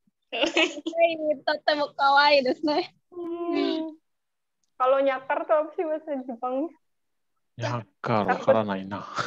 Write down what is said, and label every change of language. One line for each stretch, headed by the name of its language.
Japanese: 可愛い、とっても可愛いですね。
Indonesian: kalau nyakar tuh apa sih bahasa Jepang?
Japanese: Nyakar, わからないな。